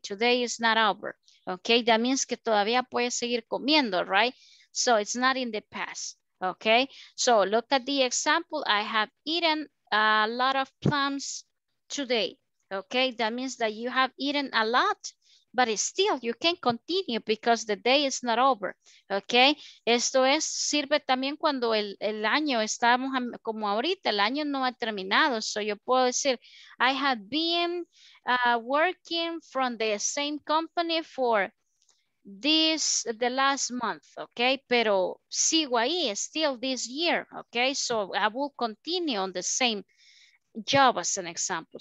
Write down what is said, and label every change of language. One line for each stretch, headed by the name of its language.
English: Today is not over. Okay. That means
Spanish: que todavía puede seguir comiendo,
English: right? So it's not in the past. Okay. So look at the example. I have eaten a lot of plums today. Okay, that means that you have eaten a lot, but still you can continue because the day is not over.
Spanish: Okay, esto es, sirve también cuando el año estamos como ahorita, el año no ha terminado.
English: So
Spanish: yo puedo decir,
English: I have been working from the same company for the last month. Okay,
Spanish: pero sigo ahí,
English: still this year. Okay, so I will continue on the same job as an example.